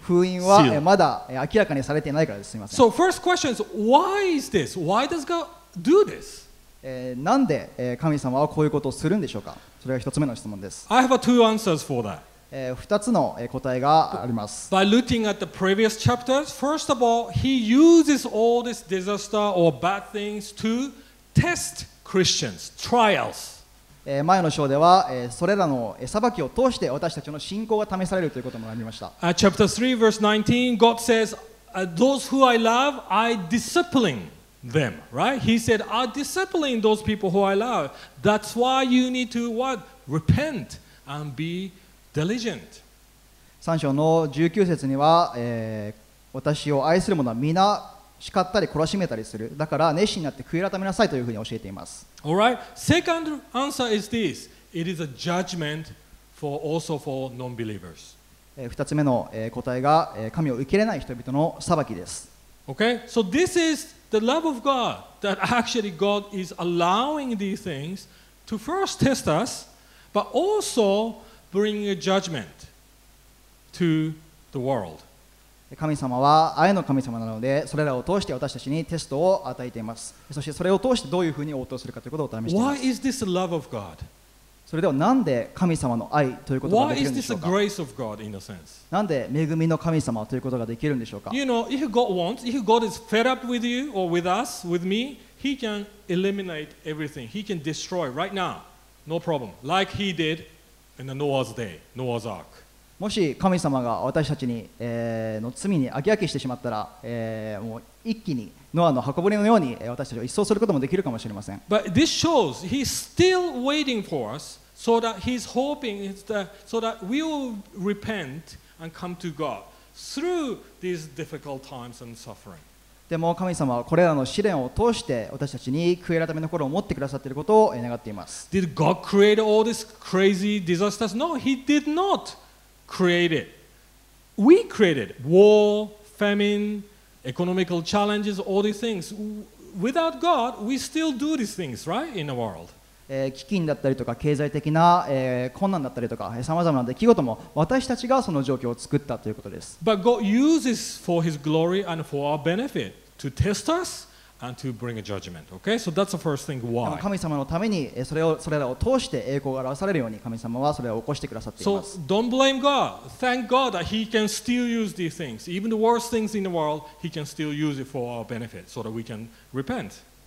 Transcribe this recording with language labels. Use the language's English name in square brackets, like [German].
[Japanese] 封印はまだ明らかにされていないからです。すみません。 [English] So first question is, why is this? Why does God do this? [Japanese] なんで神様はこういうことをするんでしょうか。それが1つ目の質問です。 [English] I have two answers for that. [Japanese] 2つの答えがあります。 [English] By looking at the previous chapters, first of all, he uses all this disaster or bad things to test. Christians, trials. [Japanese] 前の章では、それらの裁きを通して私たちの信仰が試されるということもありました。 [English] Chapter 3, verse 19, God says, those who I love, I discipline them, right? He said, I discipline those people who I love. That's why you need to what? Repent and be diligent. [Japanese] 3章の19節には、私を愛する者は皆叱ったり懲らしめたりする。だから熱心になって悔い改めなさいというふうに教えています。 [English] All right. Second answer is this. It is a judgment for also for non-believers. [Japanese] 二つ目の答えが神を受け入れない人々の裁きです。 [English] Okay. So this is the love of God that actually God is allowing these things to first test us, but also bring a judgment to the world. [Japanese] 神様は愛の神様なので、それらを通して私たちにテストを与えています。そしてそれを通してどういうふうに応答するかということを試しています。 [English] Why is this love of God? [Japanese] それではなんで神様の愛ということができるんでしょうか。 [English] Why is this grace of God in a sense? [Japanese] なんで恵みの神様ということができるんでしょうか。 [English] You know, if God wants, if God is fed up with you or with us, with me, He can eliminate everything. He can destroy right now, no problem. Like He did in the Noah's day, Noah's Ark. [Japanese] もし神様が私たちに、の罪に飽き飽きしてしまったら、もう一気にノアの箱舟のように、私たちを一掃することもできるかもしれません。 [English] But this shows he's still waiting for us so that he's hoping so that we will repent and come to God through these difficult times and suffering. [Japanese] でも神様はこれらの試練を通して私たちに悔い改めの心を持ってくださっていることを願っています。 [English] Did God create all these crazy disasters? No, he did not. Created. We created war, famine, economical challenges, all these things. Without God, we still do these things, right, in the world. [Japanese] 基金だったりとか経済的な困難だったりとか様々な出来事も私たちがその状況を作ったということです。 [English] But God uses for His glory and for our benefit to test us. And to bring a judgment. Okay, so that's the first thing. Why? [Japanese] 神様のためにそれらを通して栄光が表されるように神様はそれを起こしてくださっています。 [English] So don't blame God. Thank God that He can still use these things. Even the worst things in the world, He can still use it for our benefit, so that we can repent.